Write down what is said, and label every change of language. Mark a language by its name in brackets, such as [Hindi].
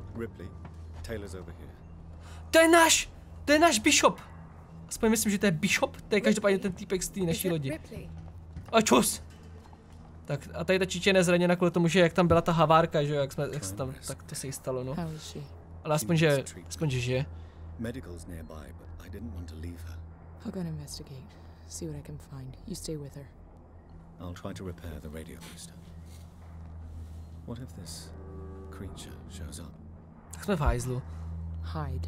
[English] Ripley, Taylor's over here. [Czech] To je náš Bishop. Aspoň myslím, že to je Bishop, to je každopádně ten týpek z té naší lodi. A čus. Tak a tady ta čiče je nezraněna kvůli tomu, že jak tam byla ta havárka, že jo, jak jsme, jak se tam, tak to se jí stalo, no. Ale aspoň, že žije. [English] Medical's nearby, but I didn't want to leave her. I'll go and investigate. See what I can find. You stay with her. I'll try to repair the radio booster. What if this creature shows up? [Czech] Tak jsme v hajzlu. [English] Hide.